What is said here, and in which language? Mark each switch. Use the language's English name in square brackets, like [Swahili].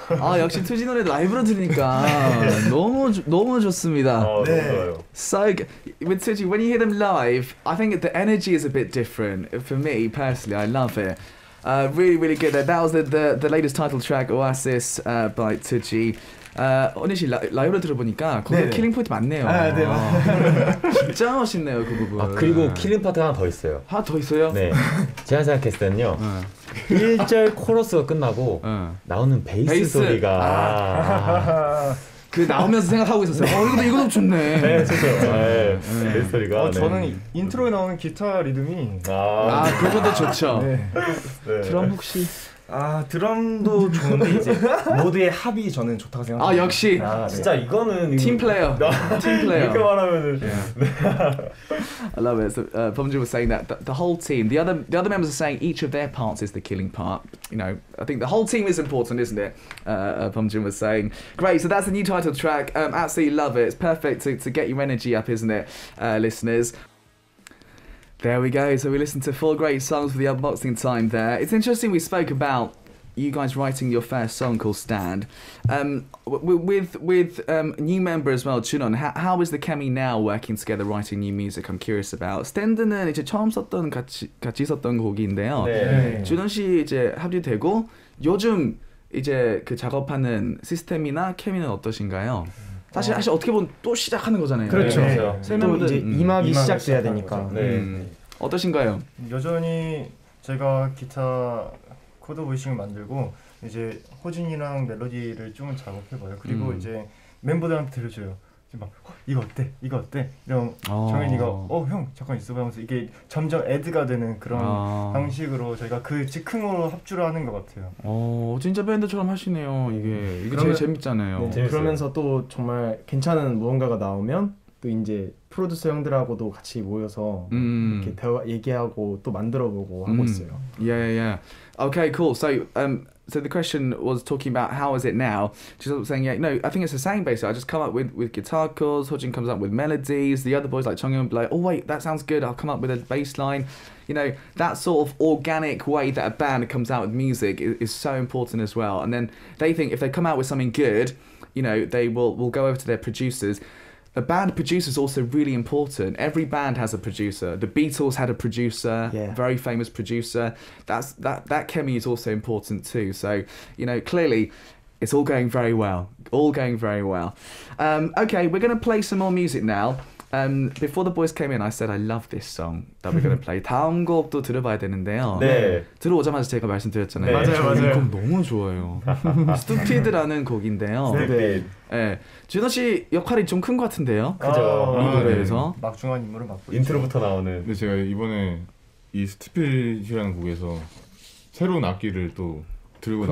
[Korean] 아 역시 투지 노래 라이브로 들으니까 너무 너무 좋습니다. 아, 네. [English] So with Tuji, when you hear them live, I think the energy is a bit different for me personally. I love it. Really, really good. That was the latest title track, Oasis, by Tuji. [Korean] 언니 씨 라이브로 들어보니까 거기 킬링 포인트 많네요. 아, 네. 아, 진짜 멋있네요 그 부분. 아 그리고 킬링 파트 하나 더 있어요. 하나 더 있어요? 네. 제가 생각했을 때는요. 1절 코러스가 끝나고 나오는 베이스 소리가 아. 그 나오면서 생각하고 있었어요. 네. 아, 이거 너무 좋네. 네, 좋죠. 네. 베이스 소리가. 어, 저는 네. 인트로에 나오는 기타 리듬이 아 그것도 좋죠. 네. 드럼 혹시? 아 드럼도 좋은데 이제 모드의 합이 저는 좋다고 생각합니다. 아 역시 아, 진짜 네. 이거는 팀 플레이어. 팀 플레이어. 이렇게 말하면은. [English] Yeah. I love it. So, Bumji was saying that the whole team, the other members are saying each of their parts is the killing part. You know, I think the whole team is important, isn't it? Bumji was saying. Great. So that's the new title track. Absolutely love it. It's perfect to get your energy up, isn't it, listeners? There we go. So we listened to four great songs for the unboxing time there. It's interesting we spoke about you guys writing your first song called Stand. With new member as well, Chunon, how is the chemistry now working together writing new music? I'm curious about. [Korean] Stand는 이제 처음 썼던 같이 썼던 곡인데요. 네. 준원 씨 이제 합류되고 요즘 이제 그 작업하는 시스템이나 케미는 어떠신가요? 사실 어떻게 보면 또 시작하는 거잖아요. 그렇죠. 네. 또 이제 2막이 시작돼야 되니까. 네. 어떠신가요? 여전히 제가 기타 코드 보이싱을 만들고 이제 호진이랑 멜로디를 좀 작업해봐요. 그리고 이제 멤버들한테 들려줘요. 막 이거 어때? 이거 어때? 이런 정현이가 형 잠깐 있어봐 하면서 이게 점점 애드가 되는 그런 방식으로 저희가 그 즉흥으로 합주를 하는 것 같아요. 진짜 밴드처럼 하시네요. 이게 그러면, 제일 재밌잖아요. 네, 그러면서 또 정말 괜찮은 무언가가 나오면 또 이제 프로듀서 형들하고도 같이 모여서 이렇게 대화 얘기하고 또 만들어보고 하고 있어요. [English] Yeah, yeah. Okay, cool. So the question was talking about how is it now? She's saying, yeah, no, I think it's the same basically. I just come up with guitar chords, Hojin comes up with melodies, the other boys like Chongyun would be like, oh wait, that sounds good, I'll come up with a bass line. You know, that sort of organic way that a band comes out with music is so important as well. And then they think if they come out with something good, you know, they will go over to their producers. A band producer is also really important. Every band has a producer. The Beatles had a producer, yeah. Very famous producer. That chemi is also important too. So, you know, clearly, it's all going very well. All going very well. Okay, we're going to play some more music now. Before the boys came in, I said I love this song that we're going to play. [Korean] 다음 곡도 들어봐야 되는데요. 네. 들어오자마자 제가 말씀드렸잖아요. 네. 맞아요, 맞아요. 이 곡 너무 좋아요. Stupid라는 곡인데요. 네. 예, 네. 준호 씨 역할이 좀 큰 것 같은데요. 그죠. 이 노래에서 네. 막중한 인물을 맡고 인트로부터 있죠. 나오는. 근데 제가 이번에 이 스티피드라는 곡에서 새로운 악기를 또 들고 그...